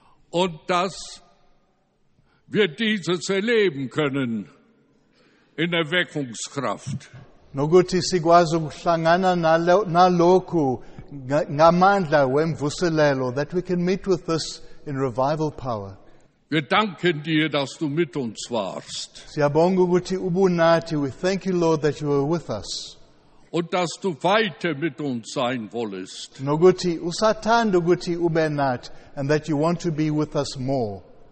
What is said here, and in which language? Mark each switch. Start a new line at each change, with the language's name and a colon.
German: Und dass wir dieses erleben können in Erweckungskraft.
Zulu: Nokuthi sikwazi ukuhlangana nalokhu ngamandla wemvuselelo,
English: that we can meet with this in revival power.
German: Wir danken dir, dass du mit uns warst.
Zulu: Siyabonga ukuthi ubunathi.
English: We thank you, Lord, that you were with us.
German: Und dass du weiter mit uns sein wollest.
Zulu: Nokuthi usathanda ukuthi ube nathi,
English: and that you want to be with us more.